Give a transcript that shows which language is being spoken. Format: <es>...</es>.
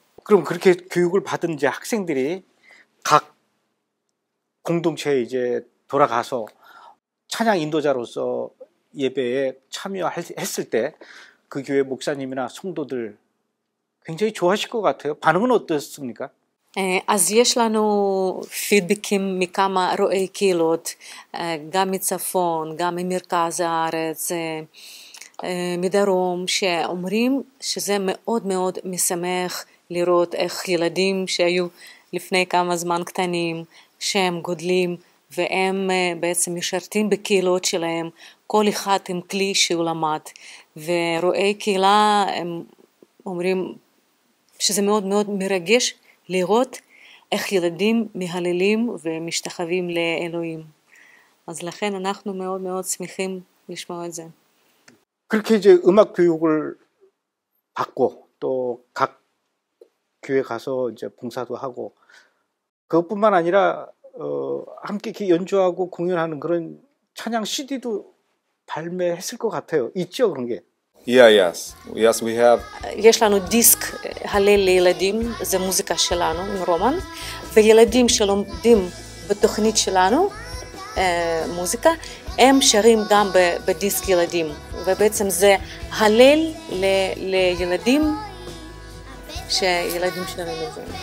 <ko>그럼 그렇게 교육을 받은 이제 학생들이 각 공동체에 이제 돌아가서 찬양 인도자로서 예배에 참여했을 때 그 교회 목사님이나 성도들 굉장히 좋아하실 것 같아요. 반응은 어떻습니까?</ko> <he>אז יש לנו פידבקים מכמה רואי קהילות, גם מצפון, גם ממרכז הארץ, מדרום, שאומרים שזה מאוד מאוד משמח לראות איך ילדים שהיו לפני כמה זמן קטנים, שהם גודלים והם בעצם משרתים בקהילות שלהם, כל אחד עם כלי שהוא למד, ורואי קהילה הם אומרים שזה מאוד מאוד מרגש לראות איך ילדים מהללים ומשתחווים לאלוהים. אז לכן אנחנו מאוד מאוד שמחים לשמוע את זה.</he> <ko>그렇게 이제 음악 교육을 받고 또 각 교회 가서 이제 봉사도 하고 그것뿐만 아니라 함께 연주하고 공연하는 그런 찬양 CD도 발매했을 것 같아요. 있죠, 그런 게?</ko> <en>Yeah, yes. Yes, we have.</en> <he>יש לנו דיסק הלל לילדים, זה מוזיקה שלנו, מרומן, וילדים שלומדים בתוכנית שלנו, מוזיקה, הם שרים גם בדיסק ילדים. ובעצם זה הלל לילדים שילדים שרים את זה.</he>